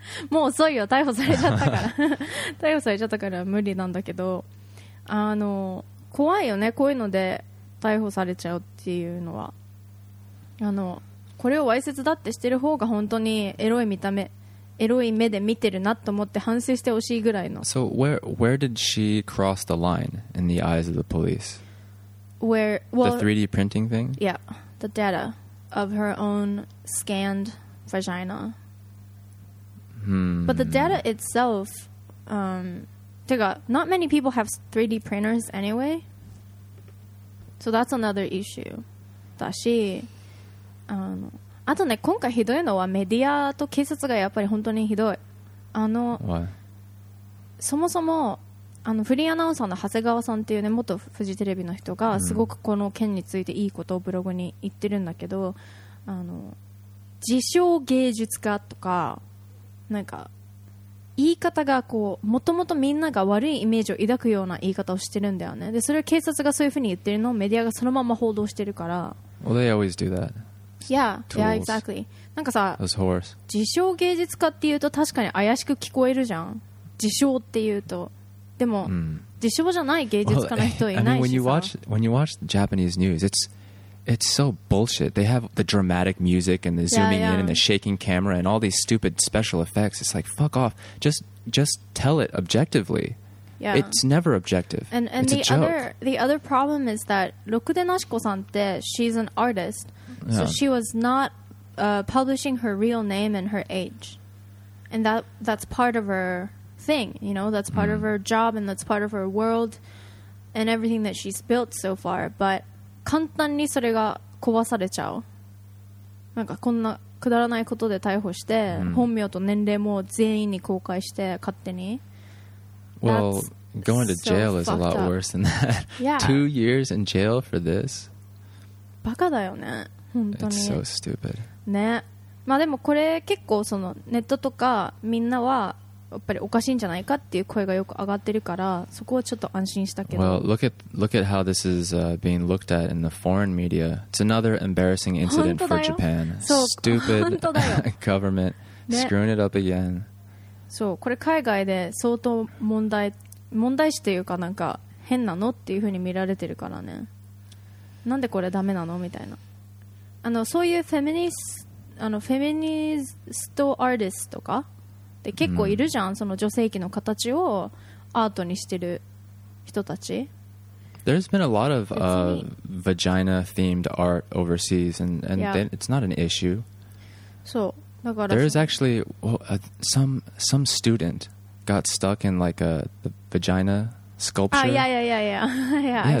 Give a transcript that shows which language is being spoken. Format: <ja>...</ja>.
<ja>もう遅いよ、逮捕されちゃったから逮捕されちゃったから無理なんだけど、あの怖いよね、こういうので逮捕されちゃうっていうのは。あのこれをわいせつだってしてる方が本当にエロい見た目、エロい目で見てるなと思って反省してほしいぐらいの。</ja> <en>So where did she cross the line in the eyes of the police? Where, well, the 3D printing thing? Yeah, the dataOf her own scanned vagina. But the data itself, not many people have 3D printers anyway. So that's another issue.</en> <ja>だし、あとね、今回ひどいのはメディアと警察がやっぱり本当にひどい。</ja> <en>Why?</en> <ja>そもそも、あのフリーアナウンサーの長谷川さんっていうね元フジテレビの人がすごくこの件についていいことをブログに言ってるんだけど、うん、あの自称芸術家とかなんか言い方がこうもともとみんなが悪いイメージを抱くような言い方をしてるんだよね。でそれを警察がそういうふうに言ってるのをメディアがそのまま報道してるから。</ja> <en>Well, they always do that. Yeah, yeah, exactly. なんかさ Those whores.</en> <ja>自称芸術家っていうと確かに怪しく聞こえるじゃん、自称っていうと。でも、mm. 自称じゃない芸術家の人いないしさ。</ja> <en>I mean, when you watch Japanese news, it's so bullshit. They have the dramatic music and the zooming yeah, yeah. in and the shaking camera and all these stupid special effects. It's like, fuck off. Just tell it objectively. Yeah. It's never objective. And it's a joke. The other problem is that Rokude Nashiko-san, she's an artist. Yeah. So she was not publishing her real name and her age. And that's part of her thing, you know? That's part of her job and that's part of her world and everything that she's built so far. But...</en> <ja>簡単にそれが壊されちゃう。なんかこんなくだらないことで逮捕して、mm. 本名と年齢も全員に公開して勝手に。</ja> <en>Well, going to jail is a lot worse than that. Yeah. 2 years in jail for this.</en> <ja>バカだよね。本当に。</ja> <en>It's so stupid.</en> <ja>ね。まあでもこれ結構そのネットとかみんなはやっぱりおかしいんじゃないかっていう声がよく上がってるからそこはちょっと安心したけど。</ja> <en>Well, look at how this is being looked at in the foreign media. It's another embarrassing incident for Japan. Stupid government screwing it up again.</en> <ja>そう、これ海外で相当問題視というかなんか変なのっていう風に見られてるからね。なんでこれダメなのみたいな。あのそういうフェミニストアーティストとか結構いるじゃん、その女性器の形をアートにしてる人たち。</ja> <en>There's been a lot of vagina themed art overseas and、yeah. it's not an issue.</en> <ja>そうだから</ja> <en>There is actually some student got stuck in like the vagina sculpture. Yeah, yeah, yeah, yeah.</en>